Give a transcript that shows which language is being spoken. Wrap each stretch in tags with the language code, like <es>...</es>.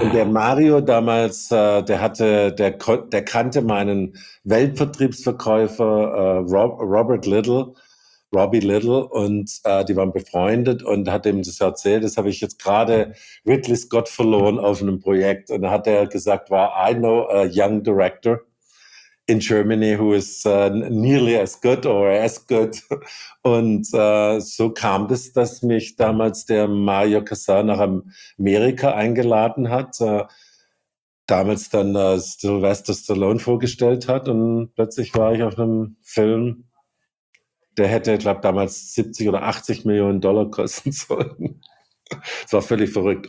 <de>Und der Mario damals, der kannte meinen Weltvertriebsverkäufer Robbie Little, und die waren befreundet und hat ihm das erzählt, das habe ich jetzt gerade Ridley Scott verloren auf einem Projekt. Und da hat er gesagt,</de> <en>I know a young director in Germany who is nearly as good or as good.</en> <de>Und so kam das, dass mich damals der Mario Casar nach Amerika eingeladen hat, damals dann Sylvester Stallone vorgestellt hat, und plötzlich war ich auf einem Film, der hätte, ich glaube, damals 70 oder 80 Millionen Dollar kosten sollen. Das war völlig verrückt.</de>